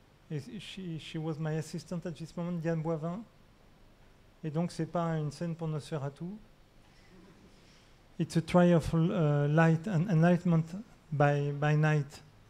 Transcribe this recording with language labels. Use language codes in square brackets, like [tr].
[en] Et she was my assistant at this moment, Diane Boivin. [fr] Et donc, ce n'est pas une scène pour Nosferatu. [en] It's a try of light and enlightenment by night.